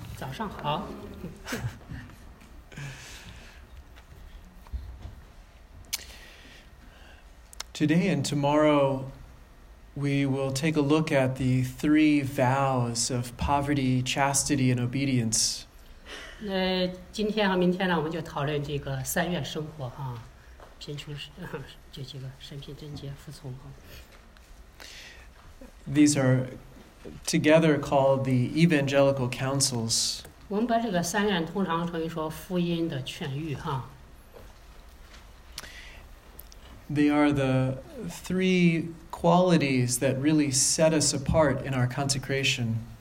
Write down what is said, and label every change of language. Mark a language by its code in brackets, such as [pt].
[zh] 早上好。 [en] Today and tomorrow, we will take a look at the three vows of poverty, chastity, and obedience. [zh] 那今天和明天呢，我们就讨论这个三愿生活哈，贫穷是就这个身心贞洁服从哈。 [en] These are together called the evangelical counsels. [zh] 我们把这个三愿通常称为说福音的劝谕哈。 [en] They are the three qualities that really set us apart in our consecration.